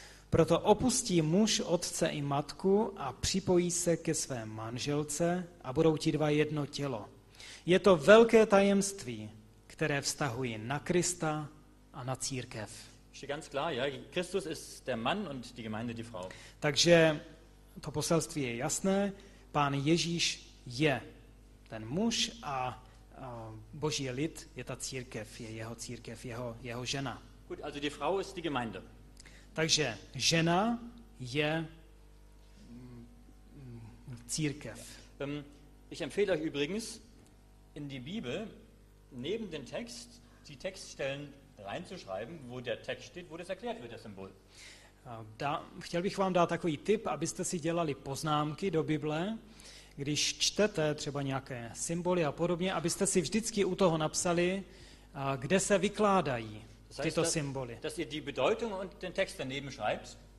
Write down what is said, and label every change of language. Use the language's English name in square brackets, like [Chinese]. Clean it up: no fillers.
[Czech] Proto opustí muž otce i matku a připojí se ke své manželce a budou ti dva jedno tělo. Je to velké tajemství, které vztahuji na Krista a na církev. [German] Je ganz klar, ja, Christus ist der Mann und die Gemeinde die Frau. [Czech] Takže to poselství je jasné, Pán Ježíš je ten muž a Boží lid je ta církev, jeho žena. [German] Gut, also die Frau ist die Gemeinde. [Czech] Takže žena je církev. [German] Ich empfehle euch übrigens in die Bibel neben den Text die Textstellen reinzuschreiben, wo der Text steht, wo das erklärt wird, das Symbol. [Czech] Chtěl bych vám dát takový tip, abyste si dělali poznámky do Bible, když čtete třeba nějaké symboly a podobně, abyste si vždycky u toho napsali, kde se vykládají tyto symboly. [German] Dass ihr die Bedeutung und den Text daneben schreibt.